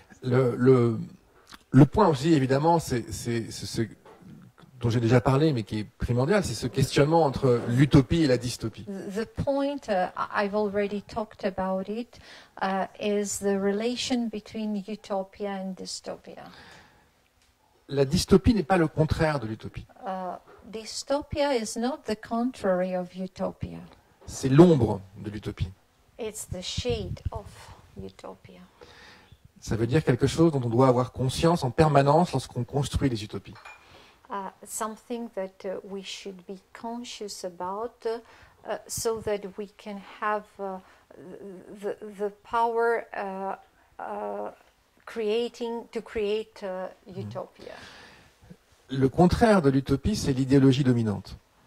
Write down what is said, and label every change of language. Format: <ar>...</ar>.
<fr>Le point aussi, évidemment, c'est ce dont j'ai déjà parlé, mais qui est primordial, c'est ce questionnement entre l'utopie et la dystopie.</fr> <en>The point I've already talked about it is the relation between utopia and dystopia.</en> <fr>La dystopie n'est pas le contraire de l'utopie.</fr> <en>Dystopia is not the contrary of utopia.</en> <fr>C'est l'ombre de l'utopie.</fr> <en>It's the shade of utopia.</en> <fr>Ça veut dire quelque chose dont on doit avoir conscience en permanence lorsqu'on construit les utopies.</fr> <en>Something that we should be conscious about so that we can have the power to create utopia.</en> <fr>Le contraire de l'utopie, c'est l'idéologie dominante.</fr>